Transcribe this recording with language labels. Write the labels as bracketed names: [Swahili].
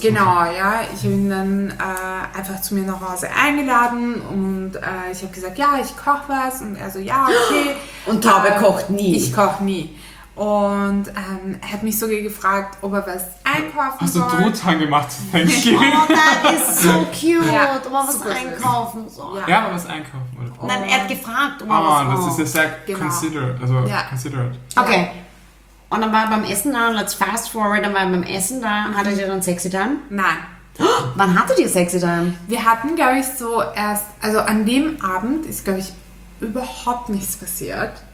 [German] Genau, ja. Ich habe ihn dann einfach zu mir nach Hause eingeladen und ich habe gesagt, ja, ich koche was und er so, ja, okay. Und Taube kocht nie. Ich koche nie. Und er hat mich sogar gefragt, ob er was einkaufen soll. Hast du Truthahn gemacht zu Thanksgiving? [English] Oh, that is so cute, [German] ja, ob er was einkaufen soll. Ja, ob er was einkaufen soll. Nein, er hat gefragt, ob er was einkaufen soll. Oh, das ist ja sehr considerate. Okay, und dann war er beim Essen da, [English] let's fast forward, [German] dann war er beim Essen da, hattet ihr dann sexy time? Nein. Oh, wann hattet ihr sexy time? Wir hatten, glaube ich, so erst, also an dem Abend ist, glaube ich, überhaupt nichts passiert.